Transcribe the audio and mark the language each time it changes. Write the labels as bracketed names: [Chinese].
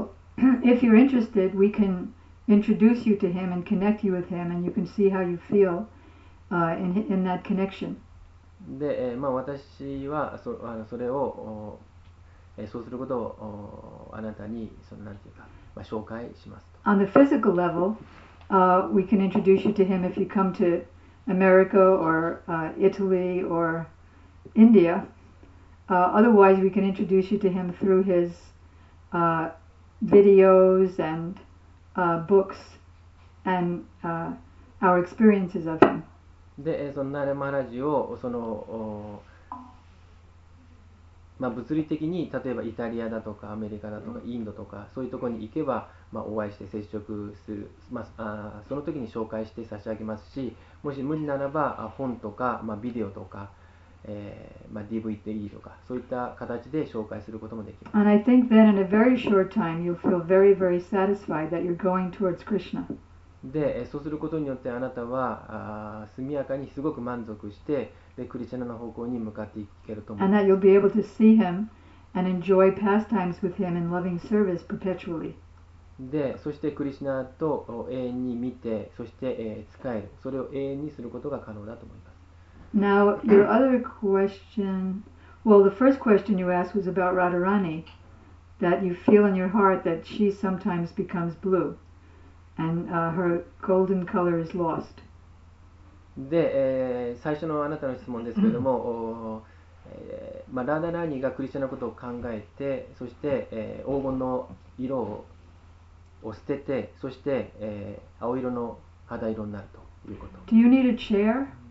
[English] So, if you're interested, we can introduce you to him and connect you with him and you can see how you feel, in that connection. [Japanese] で、まあ、私は それをそうすることをあなたにそのなんていうか、まあ、紹介しますと。 [English] On the physical level, we can introduce you to him if you come to America or Italy or India. Otherwise, we can introduce you to him through his videos and books and our experiences of him. [Japanese] で、そのナレマラジをそのまあ、物理的に例えばイタリアだとかアメリカだとかインドとかそういうところに行けば、まあ、お会いして接触する、まあ、その時に紹介して差し上げますし、もし無理ならば本とか、まあ、ビデオとか、まあ、DVD とかそういった形で紹介することもできます。 [English] And I think that in a very short time you'll feel very very satisfied that you're going towards Krishna. [Japanese] で、そうすることによってあなたは速やかにすごく満足して、でクリシュナの方向に向かっていけると思います。 [English] And that you'll be able to see him and enjoy pastimes with him in loving service perpetually. [Japanese] で、そしてクリシュナと永遠に見て、そして、使える、それを永遠にすることが可能だと思います。 [English] Now your other question, well the first question you asked was about Radharani, that you feel in your heart that she sometimes becomes blue and her golden color is lost. [Japanese] で、最初のあなたの質問ですけれども、まあ、ラーダラーニーがクリシュナのことを考えて、そして、黄金の色 を捨てて、そして、青色の肌色になるということ。 [English] Do you need a chair?